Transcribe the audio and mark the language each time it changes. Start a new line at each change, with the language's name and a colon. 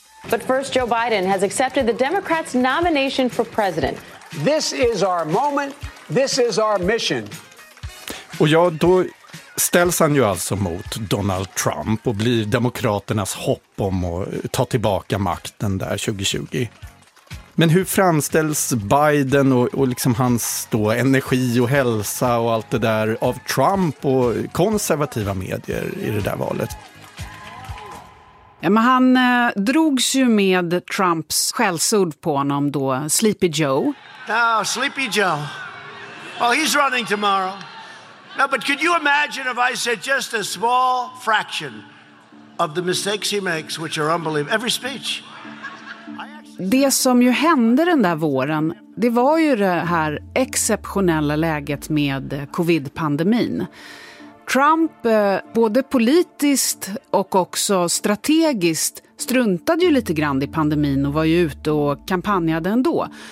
English: But first, Joe Biden has accepted the Democrats' nomination for president. This is our moment. This is our mission.
Swedish: Och ja, då ställs han ju alltså mot Donald Trump och blir demokraternas hopp om att ta tillbaka makten där 2020. Men hur framställs Biden och liksom hans då energi och hälsa och allt det där av Trump och konservativa medier i det där valet? Ja, men han drogs ju med Trumps skällsord på honom då, Sleepy Joe.
English: Oh, Sleepy Joe. Well, he's running tomorrow. No, but could you imagine if I said just a small fraction of the mistakes he makes, which are unbelievable, every speech?
Swedish: Det som ju hände den där våren, det var ju det här exceptionella läget med covid-pandemin. Trump, både politiskt och också strategiskt, struntade ju lite grann i pandemin och var ju ute och kampanjade ändå.